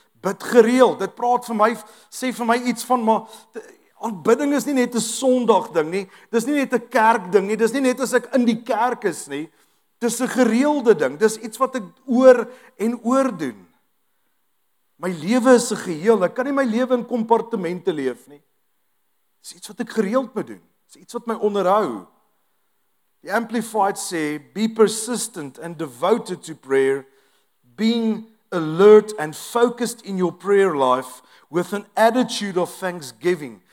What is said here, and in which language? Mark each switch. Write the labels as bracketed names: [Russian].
[Afrikaans] Bid gereeld, dit praat vir my, sê vir my iets van, maar aanbidding is nie net 'n Sondag ding nie, dis nie net 'n kerk ding nie, dis nie net as ek in die kerk is nie, dis 'n gereelde ding, dis iets wat ek oor en oor doen. My lewe is 'n geheel, ek kan nie my lewe in kompartemente leef nie. Dis iets wat ek gereeld moet doen, dis iets wat my onderhou. Die Amplified sê, [English] be persistent and devoted to prayer, being alert and focused in your prayer life with an attitude of thanksgiving.